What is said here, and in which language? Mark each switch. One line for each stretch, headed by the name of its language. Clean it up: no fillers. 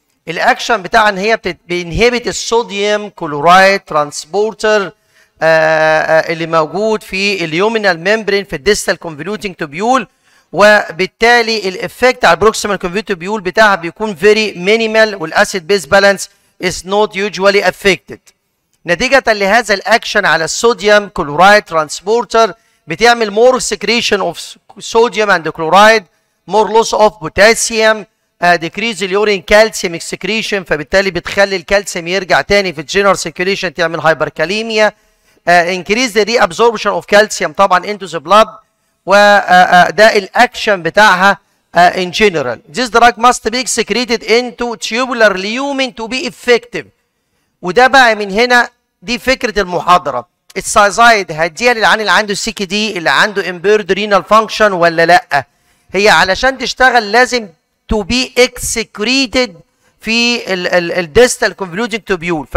Arabic: الاكشن بتاعها ان هي بينهبت الصوديوم كلورايد ترانسبورتر اللي موجود في اليومينال ميمبرين في الديستال كونفوليوتنج تبيول، وبالتالي الايفكت على البروكسيمال كونفوليوت تبيول بتاعها بيكون فيري مينيمال، والاسيد بيس بالانس
English: Is not usually affected.
Arabic: نتيجه لهذا الاكشن على الصوديوم كلورايد ترانسبورتر بتعمل
English: more secretion of sodium and chloride, more loss of potassium, decrease the urine calcium excretion,
Arabic: فبالتالي بتخلي الكالسيوم يرجع تاني في
English: general circulation تعمل hyperkalemia, increase the reabsorption of calcium طبعا into the blood,
Arabic: وده الاكشن بتاعها
English: in general. This drug must be secreted into tubular lumen to be effective.
Arabic: وده بقى من هنا دي فكرة المحاضرة. السايزايد هديها للعين اللي عنده سي كي دي اللي عنده impaired renal function ولا لا؟ هي علشان تشتغل لازم
English: to be excreted
Arabic: في ال distal convoluting tubule.